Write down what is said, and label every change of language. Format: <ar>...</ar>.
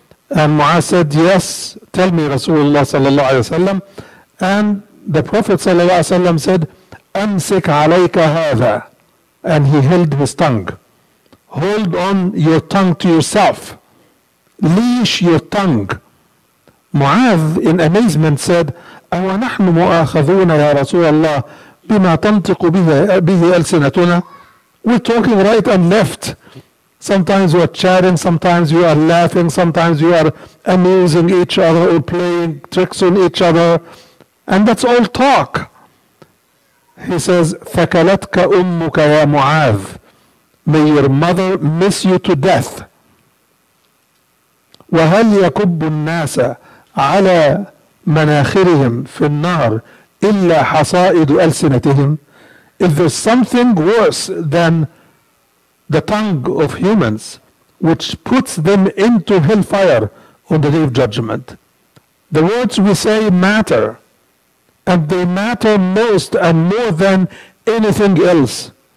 <en>And Mu'adh said, yes, tell me Rasulullah sallallahu alayhi wa sallam. And the Prophet sallallahu alayhi wa sallam said,</en> <ar>أمسك عليك هذا.</ar> <en>And he held his tongue. Hold on your tongue to yourself. Leash your tongue. Mu'adh in amazement said,</en> <ar>أونحن مؤاخذون يا رسول الله بما تنطق به ألسنتنا.</ar> <en>We're talking right and left. Sometimes we're chatting, sometimes you are laughing, sometimes you are amusing each other or playing tricks on each other. And that's all talk. He says,</en> <ar>فَكَلَتْكَ أُمُّكَ يَا مُعَاذ. May your mother miss you to death. وَهَلْ يَكُبُّ النَّاسَ عَلَى مَنَاخِرِهِمْ فِي النَّارِ إِلَّا حَصَائِدُ أَلْسِنَتِهِمْ.</ar> <en>If there's something worse than the tongue of humans, which puts them into hellfire on the day of judgment, the words we say matter, and they matter most and more than anything else.</en>